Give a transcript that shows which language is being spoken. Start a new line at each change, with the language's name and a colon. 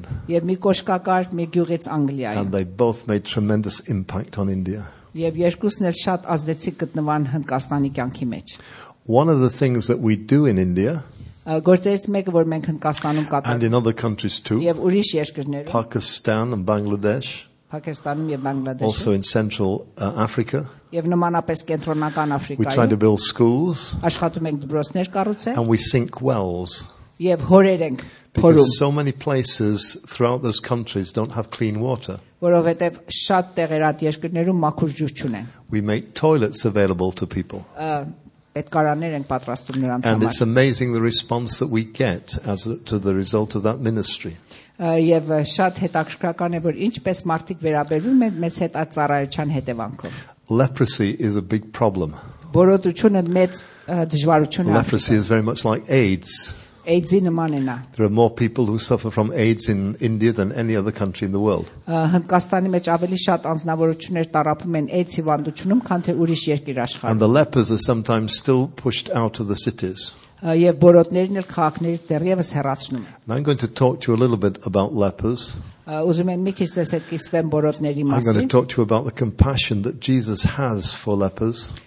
Armenian: եւ մի կոշկակար մի գյուղից Անգլիայում
English: and they both made tremendous impact on India
Armenian: եւ երկուսն էլ շատ ազդեցիկ գտնվան Հնդկաստանի կյանքի մեջ
English: one of the things that we do in India
Armenian: գործերից մեկը որ մենք Հնդկաստանում կատարում
English: and in other countries too
Armenian: եւ ուրիշ երկրներում
English: Pakistan and Bangladesh
Armenian: Pakistan-ում եւ Բանգլադեշում
English: also in central Africa
Armenian: Եվ նմանապես կենտրոնական Աֆրիկայում աշխատում ենք դպրոցներ կառուցել
English: and we sink wells
Armenian: Եվ հորեր ենք փորում
English: so many places throughout those countries don't have clean water
Armenian: Որովհետև շատ տեղեր այդ երկրներում մաքուր ջուր չունեն
English: We make toilets available to people
Armenian: Պետկարաններ ենք պատրաստում նրանց համար
English: And it's amazing the response that we get as to the result of that ministry
Armenian: Եվ շատ հետաքրքրական է որ ինչպես մարդիկ վերաբերվում են մեզ հետ այդ ծառայության հետևանքով
English: Leprosy is a big problem.
Armenian: Բորոտությունը մեծ դժվարություն է։
English: Leprosy is very much like AIDS.
Armenian: AIDS-ի նման է նա։
English: There are more people who suffer from AIDS in India than any other country in the world.
Armenian: Հնդկաստանի մեջ ավելի շատ անձնավորություններ տարապում են AIDS հիվանդությունում, քան թե ուրիշ երկիր աշխարհում։
English: And the lepers are sometimes still pushed out of the cities.
Armenian: Եվ բորոտներն էլ քաղաքներից դեռևս հեռացնում են։
English: I'm going to talk to you a little bit about lepers. I'm going to talk to you about the compassion that Jesus has for lepers.